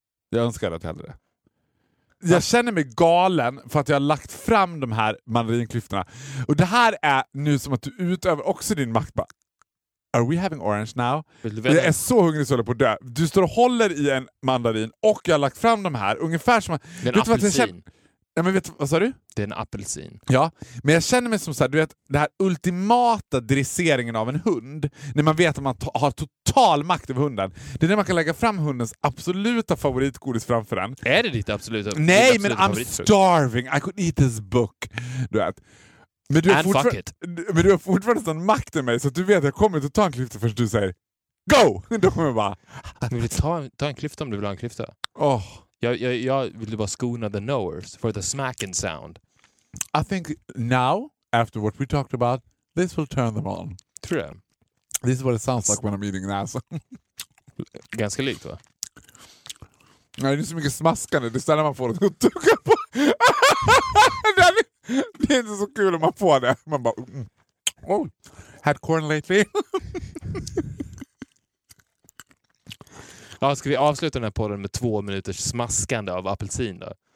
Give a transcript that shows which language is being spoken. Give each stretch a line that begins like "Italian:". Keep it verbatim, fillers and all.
Swedish: Jag önskar att jag hade det. Jag känner mig galen för att jag har lagt fram de här mandarinklyftorna. Och det här är nu som att du utöver också din makt. Bara,
English: are we having orange now?
Swedish: Jag är så hungrig så jag håller på att dö. Du står och håller i en mandarin och jag har lagt fram de här. Ungefär som... Det är en apelsin. Ja, men vet, vad sa du? Det är en apelsin. Ja, men jag känner mig som så här, du vet, den här ultimata dresseringen av en hund. När man vet att man to- har total makt över hunden. Det är när man kan lägga fram hundens absoluta favoritgodis framför den. Är det ditt absoluta Nej, ditt absoluta
English: men I'm starving. I could eat this book.
Swedish: Du vet. Men du,
English: And fuck it.
Swedish: Men du har fortfarande sån makt över mig så att du vet att jag kommer inte att ta en klyfta förrän du säger go! Då kommer jag bara... Men vill ta, ta en klyfta om du vill ha en klyfta. Åh... Oh. Jag, jag, jag vill bara skona
English: the knowers for the smacking sound. I think now, after what we talked about, this will turn them on.
Swedish: Tror jag.
English: This is what it sounds like when I'm eating an ass.
Swedish: Ganska likt, va? Nej, det är så mycket smaskande. Det är när man får det att tugga på. Det är inte så kul om man får det. Man bara... Mm.
English: Oh, had corn lately.
Swedish: Ja, ska vi avsluta den här podden med två minuters smaskande av apelsin då?